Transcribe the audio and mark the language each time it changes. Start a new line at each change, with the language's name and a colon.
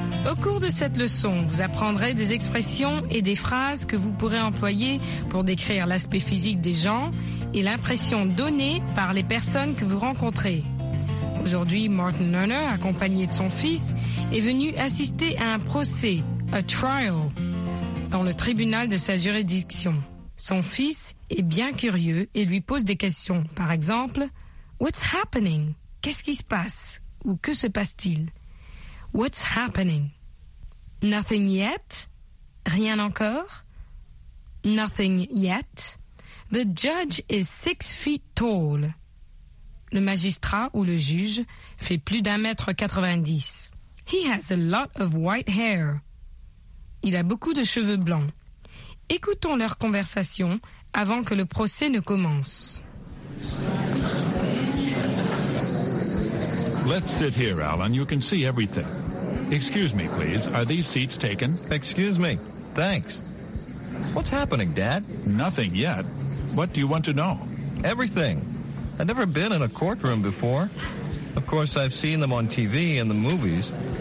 French: Au cours de cette leçon, vous apprendrez des expressions et des phrases que vous pourrez employer pour décrire l'aspect physique des gens et l'impression donnée par les personnes que vous rencontrez. Aujourd'hui, Martin Lerner, accompagné de son fils, est venu assister à un procès,
English: a trial,
French: dans le tribunal de sa juridiction. Son fils est bien curieux et lui pose des questions. Par exemple,
English: What's happening?
French: Qu'est-ce qui se passe? Ou que se passe-t-il?
English: What's happening? Nothing yet?
French: Rien encore?
English: Nothing yet? The judge is 6 feet tall.
French: Le magistrat ou le juge fait plus d'1,90 m.
English: He has a lot of white hair.
French: Il a beaucoup de cheveux blancs. Écoutons leur conversation avant que le procès ne commence.
English: Let's sit here, Alan. You can see everything. Excuse me, please. Are these seats taken? Excuse me. Thanks. What's happening, Dad? Nothing yet. What do you want to know? Everything. I've never been in a courtroom before. Of course, I've seen them on TV and the movies.